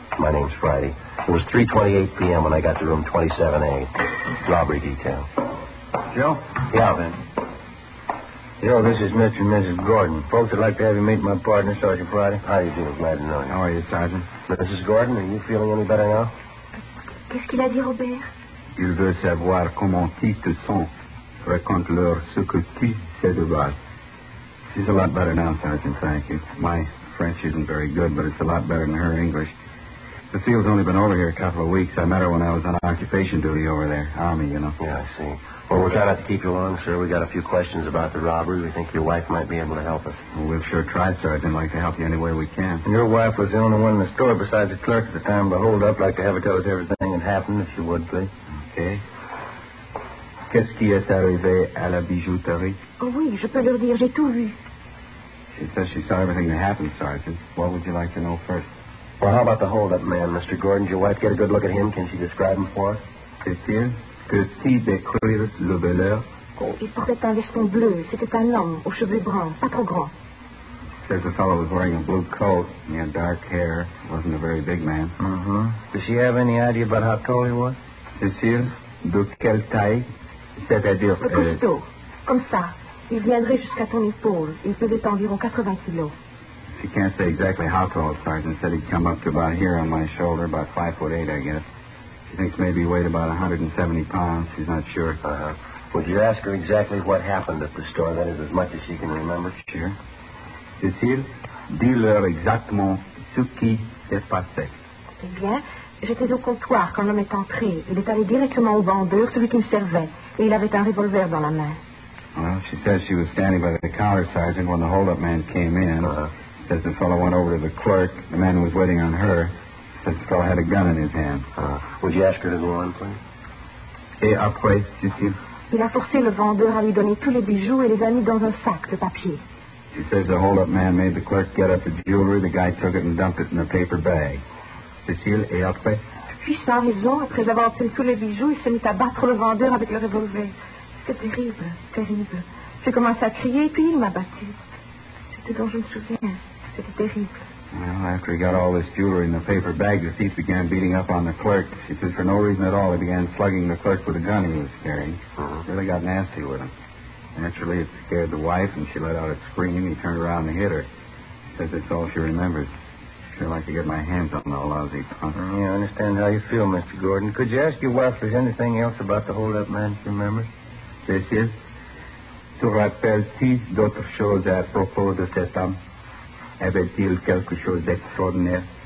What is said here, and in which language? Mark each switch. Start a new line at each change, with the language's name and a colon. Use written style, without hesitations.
English: My name's Friday. It was 3:28 p.m. when I got to room 27A. Robbery detail. Joe? Yeah, Ben. Joe, this is Mr. and Mrs. Gordon. Folks would like to have you meet my partner, Sergeant Friday. How do you do? Glad to know you. How are you, Sergeant? Mrs. Gordon, are you feeling any better now?
French: Qu'est-ce qu'il a dit, Robert? Il veut savoir comment ils te sont. Raconte-leur ce que tu sais de vous.
English: She's a lot better now, Sergeant, thank you. My French isn't very good, but it's a lot better than her English. The SEAL's only been over here a couple of weeks. I met her when I was on occupation duty over there. Army, you know. Yeah, I see. Well, we'll try not to keep you long, sir. We got a few questions about the robbery. We think your wife might be able to help us. Well, we've sure tried, Sergeant. I'd like to help you any way we can. And your wife was the only one in the store besides the clerk at the time of the holdup. I'd like to have her tell us everything that happened, if you would, please. Okay.
French: Qu'est-ce qui est arrivé à la bijouterie? Oh, oui, je peux leur dire. J'ai tout vu.
English: She says she saw everything that happened, Sergeant. What would you like to know first? Well, how about the holdup man, Mr. Gordon? Did your wife get a good look at him? Can she describe him for us?
French: C'est-il que si décrire le voleur? Il portait un veston bleu. C'était un homme aux cheveux bruns, pas trop grand.
English: Says the fellow was wearing a blue coat. He had dark hair. Wasn't a very big man. Mm-hmm. Does she have any idea about how tall he was?
French: C'est-il de quelle taille? C'est-à-dire... Le costaud. Comme ça. Il viendrait jusqu'à ton épaule. Il pesait environ 80 kilos.
English: She can't say exactly how tall, Sergeant. Said he'd come up to about here on my shoulder, about 5'8", I guess. She thinks maybe he weighed about 170 pounds. She's not sure. Uh-huh. Would you ask her exactly what happened at the store? That is as much as she can remember. Sure.
French: Cécile, dis-leur exactement ce qui s'est passé. Eh bien, j'étais au comptoir quand l'homme est entré. Il est allé directement au vendeur, celui qui me servait. Et il avait un revolver dans la main.
English: Well, she says she was standing by the counter, Sergeant, when the hold-up man came in. Says the fellow went over to the clerk. The man was waiting on her. Says the fellow had a gun in his hand. Would you ask her to go on, please?
French: Et après, Cécile? Il a forcé le vendeur à lui donner tous les bijoux et les a mis dans un sac de papier.
English: She says the hold-up man made the clerk get up the jewelry. The guy took it and dumped it in a paper bag.
French: Cécile, et après? Puis, sans raison, après avoir obtenu tous les bijoux, il se mit à battre le vendeur avec le revolver. C'est terrible, terrible. J'ai commencé à crier, puis il m'a battu. C'était dont je me souviens.
English: Well, after he got all this jewelry in the paper bag, the thief began beating up on the clerk. She says for no reason at all, he began slugging the clerk with a gun he was carrying. Uh-huh. Really got nasty with him. Naturally, it scared the wife, and she let out a scream. He turned around and hit her. Says it's all she remembers. Sure like to get my hands on the lousy punk. Yeah, I understand how you feel, Mr. Gordon. Could you ask your wife if there's anything else about the hold-up man she remembers? This is.
French: Tu rappelles-tu d'autres choses à propos de cet homme? Avait-il quelque chose d'extraordinaire?